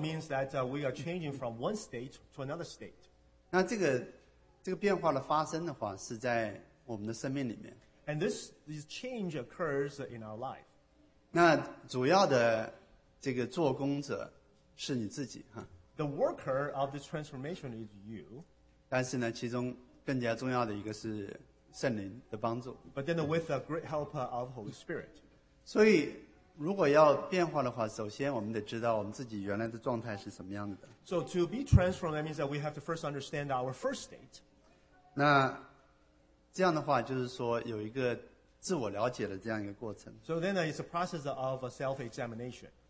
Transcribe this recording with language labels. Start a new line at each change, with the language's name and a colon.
English: means that we are changing from one state to another state.
Chinese: 那这个变化的发生的话，是在我们的生命里面。
English: And this change occurs in our life.
Chinese: 那主要的这个做工者是你自己哈。
English: The worker of this transformation is you.
Chinese: 但是呢，其中更加重要的一个是圣灵的帮助。
English: But then with the great help of Holy Spirit.
Chinese: 所以如果要变化的话，首先我们得知道我们自己原来的状态是什么样的。
English: So to be transformed, that means that we have to first understand our first state.
Chinese: 那这样的话，就是说有一个。自我了解的这样一个过程。
English: So then it's a process of a self-examination.